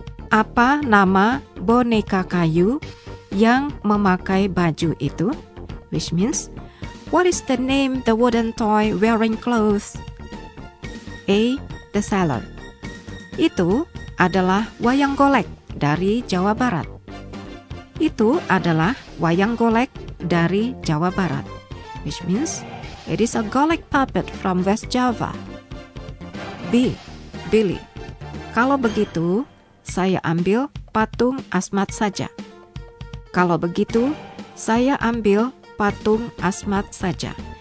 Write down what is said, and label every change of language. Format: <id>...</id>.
<id>Apa nama boneka kayu yang memakai baju itu?</id> <en>Which means, what is the name the wooden toy wearing clothes? A. The sailor.</en> <id>Itu adalah wayang golek dari Jawa Barat. Itu adalah wayang golek dari Jawa Barat.</id> <en>Which means, it is a golek puppet from West Java.</en> <id>B. Billy. Kalau begitu, saya ambil patung Asmat saja. Kalau begitu, saya ambil patung Asmat saja.</id>